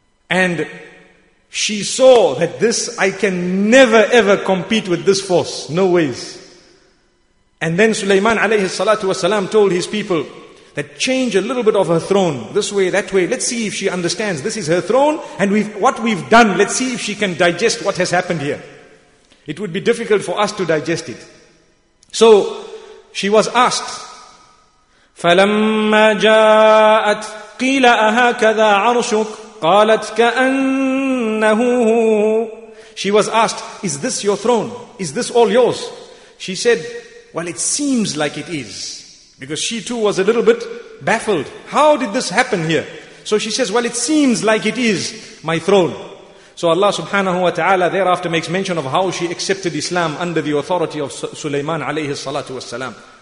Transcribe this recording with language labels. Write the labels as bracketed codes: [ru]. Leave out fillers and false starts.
[en] And she saw that this, I can never ever compete with this force. No ways. And then Sulaiman alayhi salatu wasalam told his people, that change a little bit of her throne, this way, that way. Let's see if she understands. This is her throne, and what we've done, let's see if she can digest what has happened here. It would be difficult for us to digest it. So, she was asked, [ar] فَلَمَّا جَاءَتْ قِيلَ أَهَاكَذَا عَرْشُكَ قَالَتْ كَأَنَّهُ. [en] She was asked, is this your throne? Is this all yours? She said, well, it seems like it is. Because she too was a little bit baffled. How did this happen here? So she says, well, it seems like it is my throne. So Allah subhanahu wa ta'ala thereafter makes mention of how she accepted Islam under the authority of Sulaiman alayhi salatu wasalam.